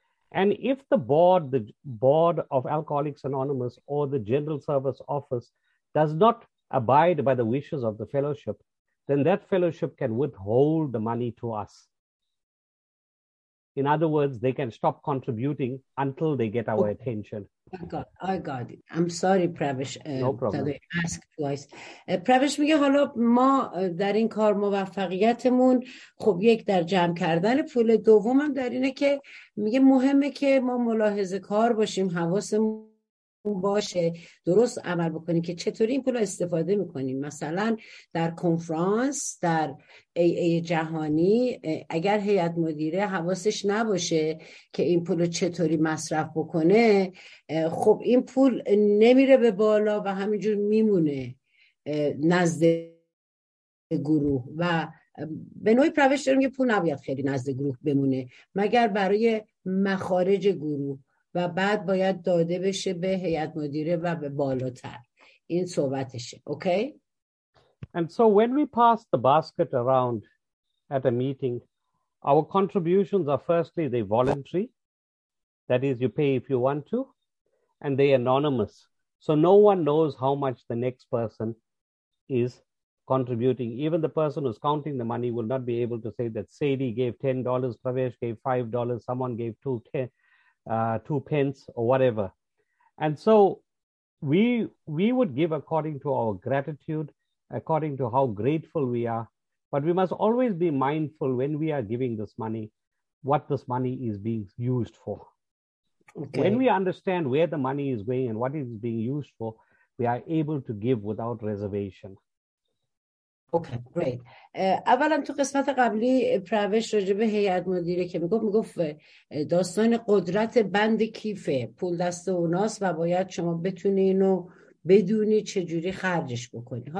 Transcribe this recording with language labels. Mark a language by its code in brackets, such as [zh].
[en] And if the board of Alcoholics Anonymous or the General Service Office does not abide by the wishes of the fellowship, then that fellowship can withhold the money to us. In other words, they can stop contributing until they get our attention. I got it. I'm sorry, Pravesh. No problem. Ask twice. [fa] Pravesh میگه حالا ما در این کار موفقیتمون خب یک در جمع کردن پول، دوم هم در اینه که میگه مهمه که ما ملاحظه کار باشیم، حواسمون باشه درست عمل بکنیم که چطوری این پول رو استفاده میکنیم. مثلا در کنفرانس، در ای جهانی، اگر هیئت مدیره حواسش نباشه که این پول چطوری مصرف بکنه، خب این پول نمیره به بالا و همینجور میمونه نزد گروه. و به نوعی پروش داریم که پول نباید خیلی نزد گروه بمونه مگر برای مخارج گروه و بعد باید داده بشه به هیئت مدیره و به بالاتر. این صحبتشه. اوکی؟ [en] And so when we pass the basket around at a meeting, our contributions are firstly, they voluntary. That is, you pay if you want to. And they anonymous. So no one knows how much the next person is contributing. Even the person who's counting the money will not be able to say that Sadie gave $10, Pravesh gave $5, someone gave two pence or whatever. And so we would give according to our gratitude, according to how grateful we are. But we must always be mindful when we are giving this money, what this money is being used for. Okay. When we understand where the money is going and what it is being used for, we are able to give without reservation. Okay, great. [fa] اولا تو قسمت قبلی پروش راجع به هیئت مدیره که میگفت داستان قدرت بند کیفه، پول دست اوناست و باید شما بتونی اینو بدونی چجوری خرجش بکنی.